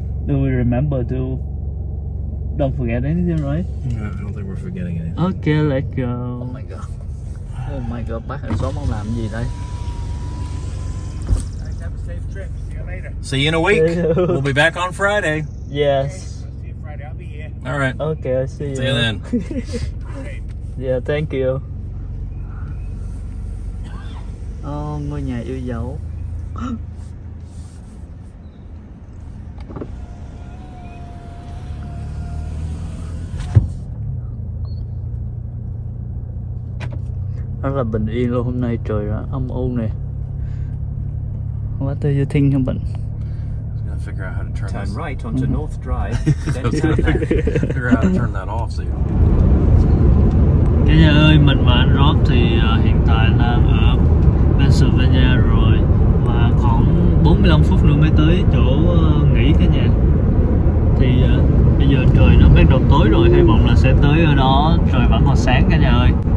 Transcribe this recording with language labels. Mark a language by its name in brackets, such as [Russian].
[English] Do we remember to don't forget anything, right? Yeah, I don't think we're forgetting anything. Okay, let's go. Oh my god. Oh my god, [Vietnamese] bác hàng xóm ông làm gì đây? [English] Guys, have a safe trip. See you later. See you in a week. We'll be back on Friday. Yes. Okay, see you Friday, I'll be here. Alright. Okay, I'll see you. See you then. Yeah, thank you. [Vietnamese] Oh, ngôi nhà yêu dấu. Rất là bình yên luôn, hôm nay trời đó, âm u nè. [English] What are you thinking about? I'm gonna figure out how to turn this. Right onto North Drive, then turn left. Figure out how to turn that off so you. [Vietnamese] Cái nhà ơi, mình và anh Rob thì hiện tại đang ở Pennsylvania rồi. Và khoảng 45 phút nữa mới tới chỗ nghỉ cái nhà. Thì bây giờ trời nó bắt đầu tối rồi, hy vọng là sẽ tới ở đó trời vẫn còn sáng cả nhà ơi.